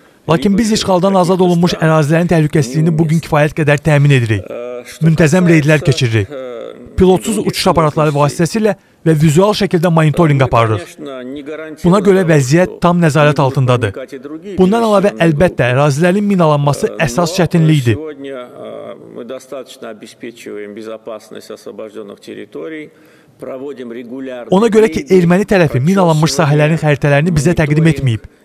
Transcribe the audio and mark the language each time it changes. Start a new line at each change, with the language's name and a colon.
Azerbaijani: Lakin biz işğaldan azad olunmuş ərazilərin təhlükəsizliyini bugün kifayət qədər təmin edirik. Müntəzəm reydlər keçiririk. Pilotsuz uçuş aparatları vasitəsilə və vizual şəkildə monitoring aparırıq. Buna görə vəziyyət tam nəzarət altındadır. Bundan əlavə əlbəttə ərazilərin minalanması əsas çətinlikdir.
Russian: Мы достаточно обеспечиваем безопасность освобожденных территорий, проводим регулярные.
Azerbaijani: Ona görə ki, erməni tərəfi minalanmış sahələrin xəritələrini bizə təqdim etməyib.